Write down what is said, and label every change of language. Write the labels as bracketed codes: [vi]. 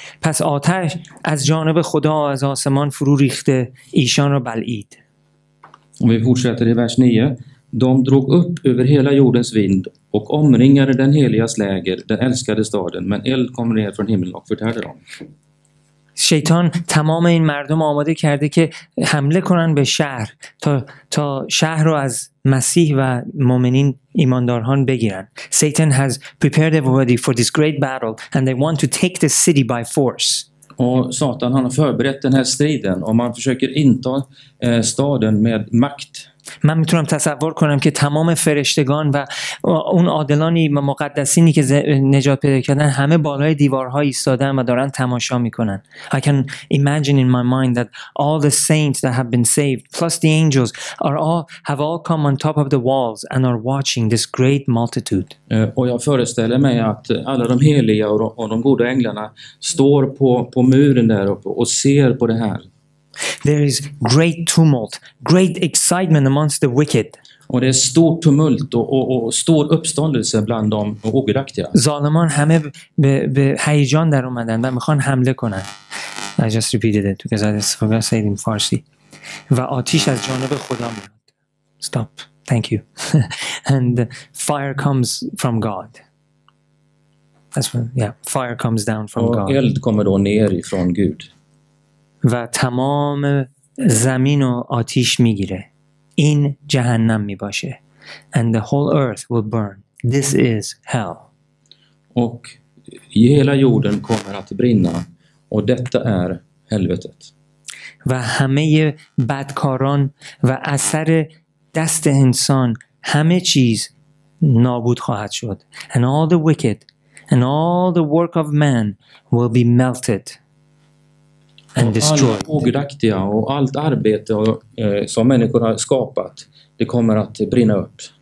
[fa] پس آتش از جانب خدا و از آسمان فرو ریخته ایشان را بلعید. [sv] Vi fortsätter i vers 9. De drog upp över hela jordens vind och omringade den heligas läger, den älskade staden, men eld kom ner från himlen och förtärde dem. [fa] شیطان تمام این مردم آماده کرده که حمله کنن به شهر تا شهر رو از مسیح و مؤمنین ایماندارهان بگیرن. [en] Satan has prepared everybody for this great battle and they want to take the city by force. [sv] Och Satan han har förberett den här striden och man försöker inta staden med makt. [fa] من میتونم تصور کنم که تمام فرشتگان و اون عادلانی و مقدسینی که نجات پیدا کردن همه بالای دیوارها ایستادن و دارن تماشا میکنن. [en] I can imagine in my mind that all the saints that have been saved plus the angels have all come on top of the walls and are watching this great multitude. [sv] Och jag föreställer mig att alla de heliga och de goda änglarna står på muren där uppe och ser på det här. [en] There is great tumult, great excitement amongst the wicked. [sv] Och det är stort tumult och stor uppståndelse bland de ogudaktiga. [fa] Zalman hame be hayjan dar omadan va mikhan hamle konan. [en] I just repeated it because I just forgot to say it in Farsi. [fa] Va atish az janab khoda miad. [en] Stop. Thank you. And fire comes from God. That's when, yeah, fire comes down from [sv] och [en] God. [sv] Och eld kommer då ner ifrån Gud. [fa] و تمام زمین و آتش میگیره. این جهنم میباشه. [en] And the whole earth will burn. This is hell. [sv] Och hela jorden kommer att brinna. Och detta är helvetet. [fa] و همه بدکاران و اثر دست انسان همه چیز نابود خواهد شد. [en] And all the wicked and all the work of man will be melted. And destroyed. [sv] Allt ogudaktiga och allt arbete som människor har skapat, det kommer att brinna upp.